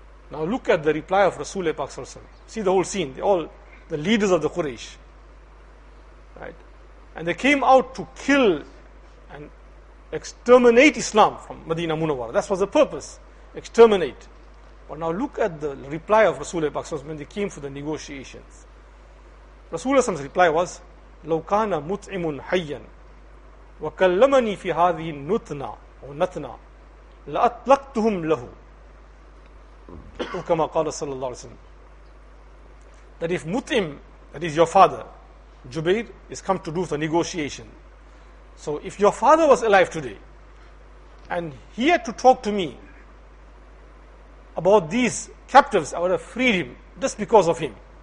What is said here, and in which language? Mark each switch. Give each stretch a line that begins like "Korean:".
English: Now look at the reply of Rasulullah SAW. See the whole scene. They're all the leaders of the Quraysh. Right? And they came out to kill and exterminate Islam from Medina Munawwara. That was the purpose. Exterminate. But now look at the reply of Rasulullah SAW when they came for the negotiations. Rasulullah SAW's reply was,
Arabic: لَوْ كَانَ مُطْعِمٌ حَيًّا وَكَلَّمَنِي فِي هَذِهِ نُتْنَا أو نَتْنَا لَأَطْلَقْتُهُمْ لَهُ وَكَمَا قَالَ صَلَى اللَّهُ عَلَيْهِ وَسَلَّمَ.
English: That if Mut'im, that is your father, Jubair, is come to do the negotiation. So if your father was alive today, and he had to talk to me about these captives, I would have freed him just because of him.